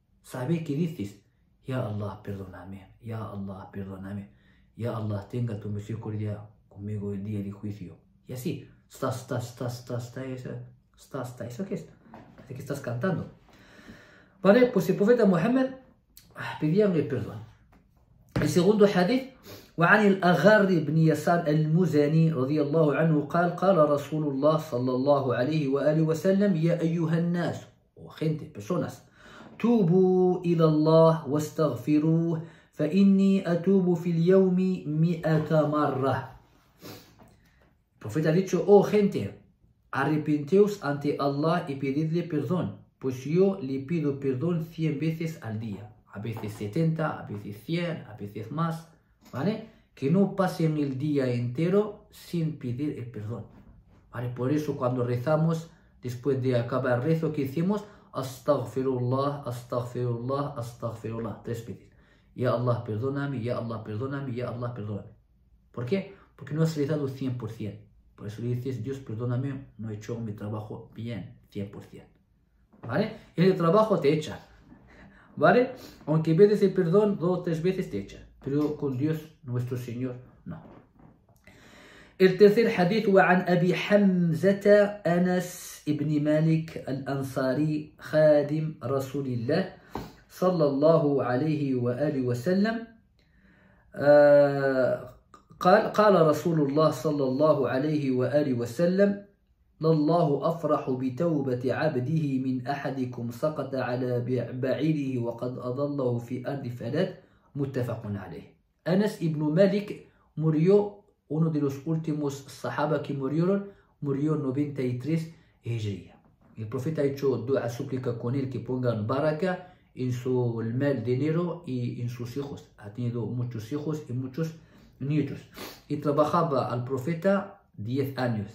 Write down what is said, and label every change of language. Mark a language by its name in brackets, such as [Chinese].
[Spanish] Sabe que dices, ya Allah, perdóname, ya Allah, perdóname, ya Allah, tenga tu misericordia conmigo el día del juicio. Y así, stas, stas, stas, stas, stas, stas, stas. ¿Eso qué es? Así que estás cantando. Vale, pues el profeta Muhammad pedía el perdón. El segundo hadith, [Arabic] وعن الأغار بن يسار المزني رضي الله عنه قال قال رسول الله صلى الله عليه وآله وسلم يا أيها الناس وخنتي بسونس توبوا إلى الله واستغفروه فإني أتوب في اليوم 100 مرة. [Spanish] Profeta ha dicho, oh gente, arrepentíos ante Allah y pedidle perdón, pues yo le pido perdón 100 veces al día, a veces 70, a veces 100, a veces más, ¿vale? Que no pasen el día entero sin pedir el perdón, ¿vale? Por eso cuando rezamos, después de acabar el rezo, que hicimos? Astaghfirullah, astaghfirullah, astaghfirullah, 3 veces. Ya Allah, perdóname, ya Allah, perdóname, ya Allah, perdóname. ¿Por qué? Porque no has rezado 100%. Por eso le dices, Dios, perdóname, no he hecho mi trabajo bien, 100%. ¿Vale? Y el trabajo te echa, ¿vale? Aunque pides el perdón 2 o 3 veces, te echa. Pero con Dios, nuestro Señor, no. El tercer hadith fue [Arabic] عن أبي حمزة أنس ابن مالك الأنصاري خادم رسول الله صلى الله عليه وآله وسلم قال قال رسول الله صلى الله عليه وآله وسلم لله أفرح بتوبة عبده من أحدكم سقط على بعيره وقد أضله في أرض فلات. متفق عليه. [Spanish] أنس ابن مالك murió, uno de los últimos sahaba que murieron, murió 93 hijriya. El profeta ha hecho dua, súplica con él que pongan baraka en su mal dinero y en sus hijos. Ha tenido muchos hijos y muchos nietos. Y trabajaba al profeta 10 años.